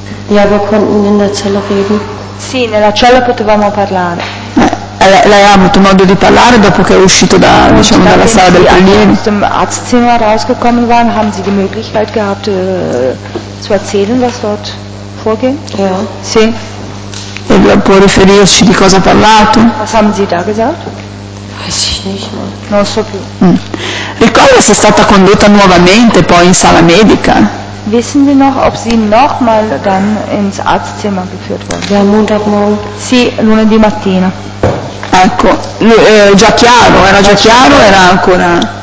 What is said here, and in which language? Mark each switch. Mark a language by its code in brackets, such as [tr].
[de] Ja, wir konnten in der Zelle reden. [it] Sì, nella cella potevamo parlare. Lei ha avuto modo di parlare dopo che è uscito dalla sala del prelievo? [de] Aus dem Arztzimmer rausgekommen waren, haben Sie die Möglichkeit gehabt, zu erzählen, was dort vorging? Ja. [it] Sì. E può riferirci di cosa ha parlato? [de] Was haben Sie da gesagt? Weiß ich nicht mehr. [it] Non so più. Ricorda se è stata condotta nuovamente poi in sala medica? [de] Wissen Sie noch, ob sie nochmal dann ins Arztzimmer geführt wurde? Ja, Montagmorgen. [it] Sì, lunedì mattina. Ecco, già chiaro, era già chiaro, era ancora.